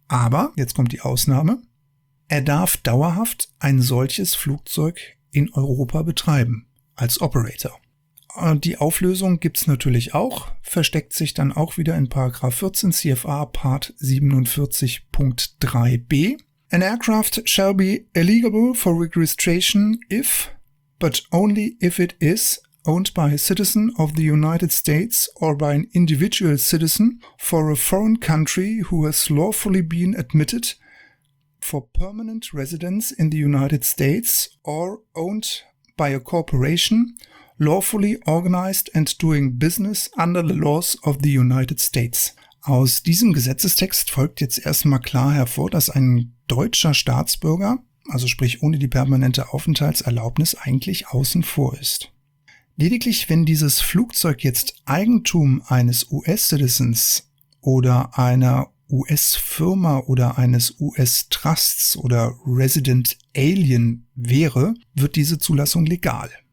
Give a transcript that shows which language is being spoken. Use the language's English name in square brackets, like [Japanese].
[German] Aber, jetzt kommt die Ausnahme, er darf dauerhaft ein solches Flugzeug in Europa betreiben, als Operator. Die Auflösung gibt es natürlich auch, versteckt sich dann auch wieder in § 14 CFR Part 47.3b. [English] An aircraft shall be eligible for registration if, but only if it is, owned by a citizen of the United States or by an individual citizen for a foreign country who has lawfully been admitted for permanent residence in the United States or owned by a corporation lawfully organized and doing business under the laws of the United States. [German] Aus diesem Gesetzestext folgt jetzt erstmal klar hervor, dass ein deutscher Staatsbürger, also sprich ohne die permanente Aufenthaltserlaubnis, eigentlich außen vor ist. Lediglich wenn dieses Flugzeug jetzt Eigentum eines US-Citizens oder einer US-Firma oder eines US-Trusts oder Resident Alien wäre, wird diese Zulassung legal.